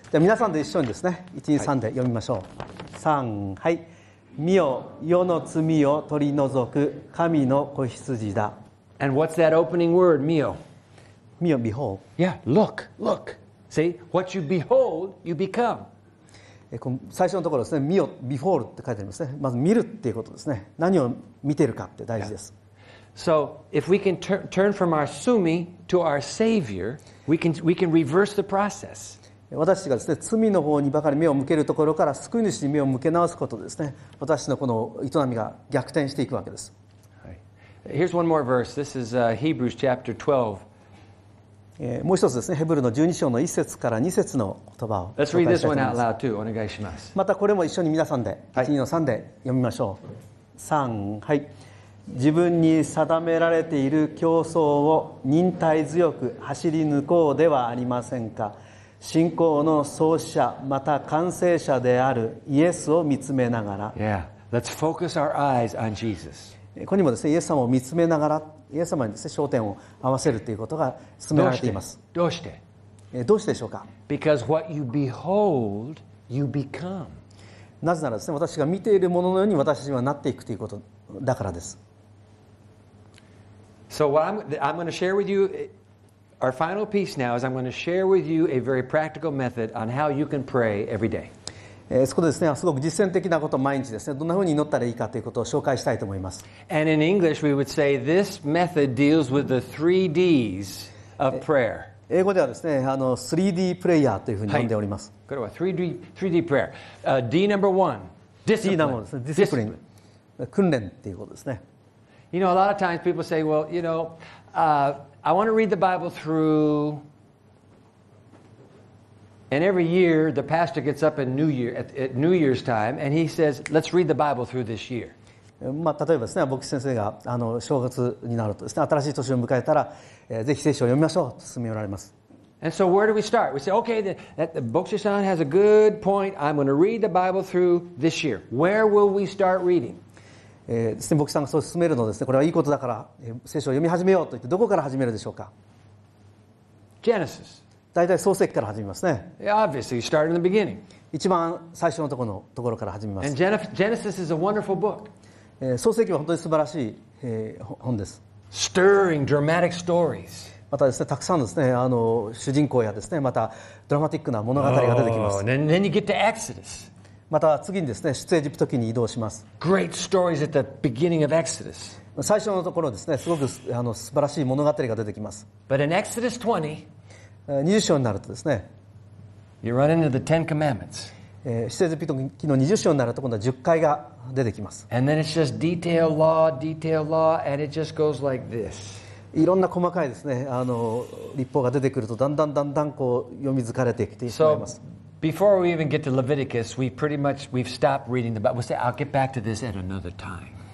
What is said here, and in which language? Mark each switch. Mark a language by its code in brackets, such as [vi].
[ja] では皆さんで一緒にですね、1,2,3 で読みましょう。3、はい。見よ、世の罪を取り除く神の子羊だ。 [en] And what's that opening word, 見よ。 [ja] 見よ、behold. [en] Yeah, look, look. See, what you behold, you become. [ja] 最初のところですね、見よ、before って書いてありますね。まず見るっていうことですね。何を見てるかって大事です。 [en] Yeah. So, if we can turn from our sumi to our savior, we can reverse the process. [ja] 私がですね、罪の方にばかり目を向けるところから救い主に目を向け直すことですね。私のこの営みが逆転していくわけです。 [en] Right. Here's one more verse. This is Hebrews chapter 12. [ja] もう一つですね、ヘブルの12章の1節から2節の言葉を紹介したいと思います。 [en] Let's read this one out loud too. [ja] お願いします。またこれも一緒に皆さんで、はい、1、2の3で読みましょう。3、はい。自分に定められている競争を忍耐強く走り抜こうではありませんか。信仰の創始者また完成者であるイエスを見つめながら。 [en] Yeah, let's focus our eyes on Jesus. [ja] ここにもですね、イエス様を見つめながら、イエス様に、ね、焦点を合わせるということが進められています。どうして、どうしてでしょうか。 [en] Because what you behold, you become. [ja] なぜならですね、私が見ているもののように私はなっていくということだからです。 [en] So I'm going to share with you our final piece now is I'm going to share with you a very practical method on how you can pray every day. [ja] そこでですね、すごく実践的なこと、毎日ですね、どんなふうに祈ったらいいかということを紹介したいと思います。 [en] And in English, we would say this method deals with the three Ds of prayer. [ja] 英語ではですね、3D プレイヤーというふうに呼んでおります。はい、これは 3D prayer。 [en] D number one, discipline. D number one ですね、discipline。 [ja] 訓練っていうことですね。 [en] You know, a lot of times people say, well, you know, I want to read the Bible through... And every year, the pastor gets up in New Year, at New Year's time, and he says, let's read the Bible through this year. [ja] まあ、例えばですね、牧師先生が正月になるとですね、新しい年を迎えたら、ぜひ聖書を読みましょうと勧められます。 [en] And so where do we start? We say, okay, the Bokushi-san has a good point. I'm going to read the Bible through this year. Where will we start reading? [ja] ですね、牧師さんがそう勧めるのですね、これはいいことだから、聖書を読み始めようと言って、どこから始めるでしょうか。 [en] Genesis. [ja] 大体創世記から始めますね。 [en] Obviously, you start in the beginning. [ja] 一番最初のところから始めます。 [en] And Genesis is a wonderful book. [ja] 創世記は本当に素晴らしい本です。 [en] Stirring, dramatic stories. [ja] またですね、たくさんですね、主人公やですね、またドラマティックな物語が出てきます。 [en] And then you get to Exodus. [ja] また次にですね、出エジプト記に移動します。 [en] Great stories at the beginning of Exodus. [ja] 最初のところですね、すごく素晴らしい物語が出てきます。 [en] But in Exodus 20. [ja] 20章になるとですね、 [en] You run into the Ten Commandments. [ja] 出エジプト記の20章になると今度は10戒が出てきます。 [en] And then it's just detail law, detail law, and it just goes like this. [ja] いろんな細かいですね、立法が出てくるとだんだんだんだんこう読み疲れてきてしまいます。 [en] So before we even get to Leviticus, we've stopped reading the Bible. We'll say, I'll get back to this at another time.